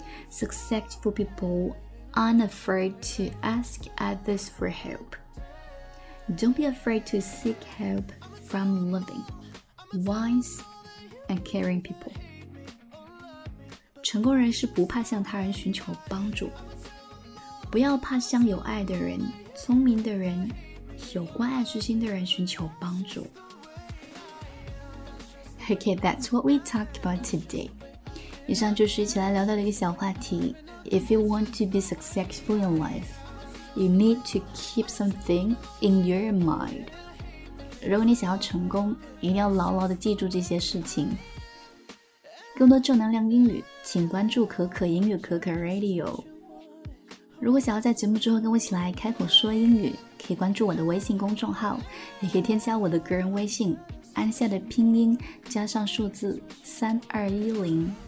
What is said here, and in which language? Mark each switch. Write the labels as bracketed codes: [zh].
[en] Successful people aren't afraid to ask others for help. Don't be afraid to seek help from loving, wise and caring people. [zh] 成功人是不怕向他人寻求帮助，不要怕向有爱的人、聪明的人、有关爱之心的人寻求帮助。 [en] Okay, that's what we talked about today. [zh] 以上就是一起来聊到的一个小话题。 [en] If you want to be successful in life, you need to keep something in your mind. [zh] 如果你想要成功，一定要牢牢地记住这些事情。更多正能量英语，请关注可可英语可可 Radio。如果想要在节目之后跟我一起来开口说英语，可以关注我的微信公众号，也可以添加我的个人微信，安夏的拼音加上数字3210。